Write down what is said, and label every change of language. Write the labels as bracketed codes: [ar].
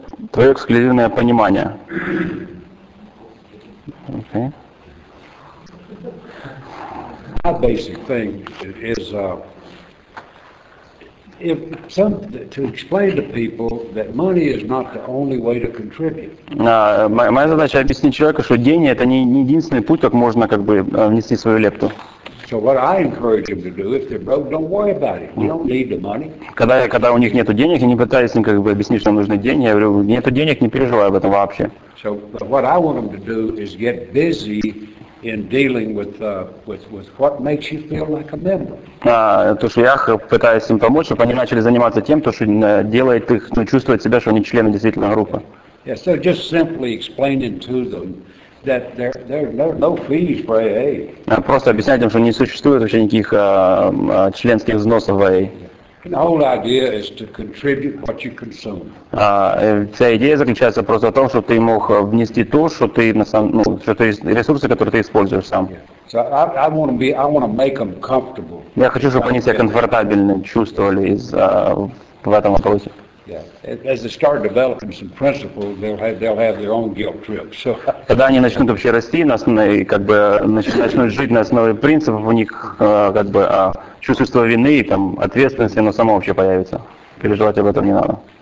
[ru] Твое эксклюзивное понимание. [en] Okay. My basic thing is if some to explain to people that money is not the only way to contribute. [ru] Моя задача объяснить человеку, что деньги это не единственный путь, как можно как бы внести свою лепту. [en] So what I encourage them to do, if they're broke, don't worry about it. You don't need the money. [ru] Когда у них нету денег, я не пытаюсь им как бы объяснить, что нужны деньги. Я говорю, нету денег, не переживай об этом вообще. [en] So what I want them to do is get busy in dealing with what makes you feel like a member. [ru] То, что я пытаюсь им помочь, чтобы они начали заниматься тем, то, что делает их, ну, чувствовать себя, что они члены действительно группы. [en] Yeah, so just simply explaining to them that there are no fees for AA. [ru] Просто объяснять им, что не существует вообще никаких членских взносов в AA. [en] And the whole idea is to contribute what you consume. [ru] Вся идея заключается просто в том, что ты мог внести то, что ты на самом, ну, что ты ресурсы, которые ты используешь сам. [en] So I want to make them comfortable. [ru] Я хочу, чтобы они себя комфортабельно чувствовали в этом вопросе. [en] Yeah. As they start developing some principles, they'll have their own guilt trip. So. [ru] Когда они начнут вообще расти, начнут жить на основе принципов, у них чувство вины и там ответственности, оно само вообще появится. Переживать об этом не надо.